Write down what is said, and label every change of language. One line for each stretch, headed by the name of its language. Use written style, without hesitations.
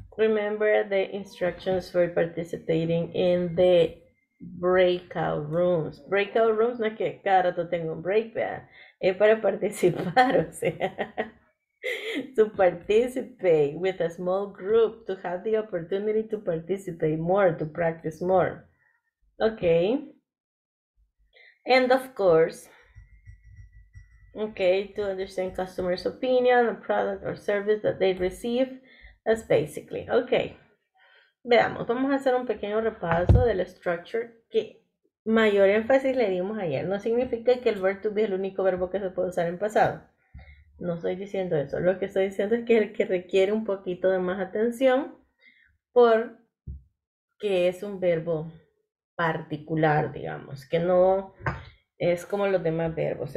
English: Remember the instructions for participating in the breakout rooms.
Spanish: Breakout rooms no es que cada rato tengo un break, ¿verdad? Es para participar, o sea.
English: To participate with a small group, to have the opportunity to participate more, to practice more. Okay. And of course, okay, to understand customers' opinion, a product or service that they receive, that's basically. Okay.
Spanish: Veamos, vamos a hacer un pequeño repaso de la structure que mayor énfasis le dimos ayer. No significa que el verb to be es el único verbo que se puede usar en pasado. No estoy diciendo eso. Lo que estoy diciendo es que es el que requiere un poquito de más atención porque es un verbo particular, digamos, que no es como los demás verbos.